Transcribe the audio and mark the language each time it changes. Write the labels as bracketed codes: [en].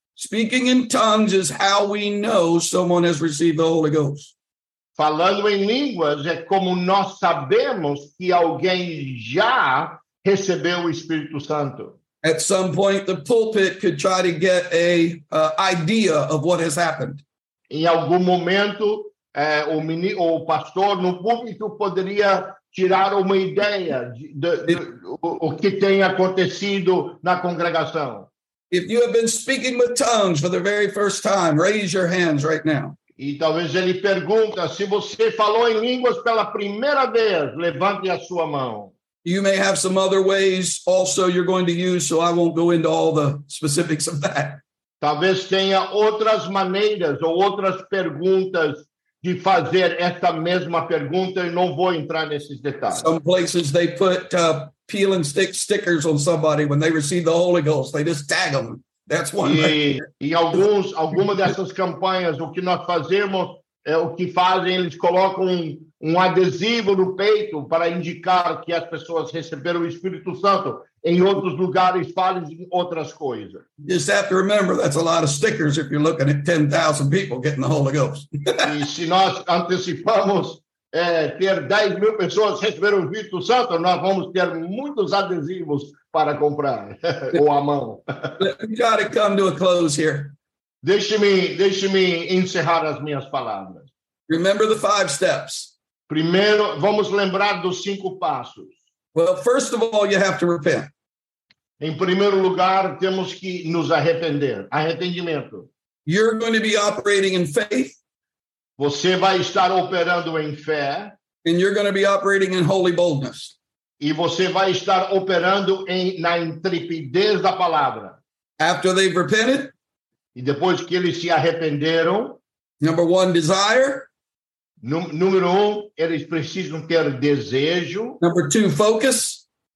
[en] Speaking in tongues is how we know someone has received the Holy Ghost. [pt] Falando em línguas é como nós sabemos que alguém já recebeu o Espírito Santo. [en] At some point, the pulpit could try to get an idea of what has happened. [pt] Em algum momento, o pastor no púlpito poderia tirar uma ideia do que tem acontecido na congregação. [en] If you have been speaking with tongues for the very first time, raise your hands right now. [pt] E talvez ele pergunta, se você falou em línguas pela primeira vez, levante a sua mão. [en] You may have some other ways also you're going to use, so I won't go into all the specifics of that. [pt] Talvez tenha outras maneiras ou outras perguntas de fazer esta mesma pergunta e não vou entrar nesses detalhes. [en] Some places they put peel and stick stickers on somebody when they receive the Holy Ghost. They just tag them. That's one. [pt] Alguma dessas campanhas, o que nós fazemos, o que fazem, eles colocam um adesivo no peito para indicar que as pessoas receberam o Espírito Santo. Em outros lugares, falam outras coisas. [en] Just have to remember, that's a lot of stickers if you're looking at 10,000 people getting the Holy Ghost. [pt] E se nós antecipamos ter 10 mil pessoas receberam o Espírito Santo, nós vamos ter muitos adesivos para comprar, ou à mão. [en] We've got to come to a close here. [pt] Deixe-me encerrar as minhas palavras. [en] Remember the five steps. [pt] Primeiro, vamos lembrar dos 5 passos. [en] Well, first of all, you have to repent. [pt] Em primeiro lugar, temos que nos arrepender. Arrependimento. [en] You're going to be operating in faith. [pt] Você vai estar operando em fé. [en] And you're going to be operating in holy boldness. [pt] E você vai estar operando na intrepidez da palavra. [en] After they've repented. [pt] E depois que eles se arrependeram. [en] Number one, desire. [pt] Número um, eles precisam ter desejo. [en] Number two, focus.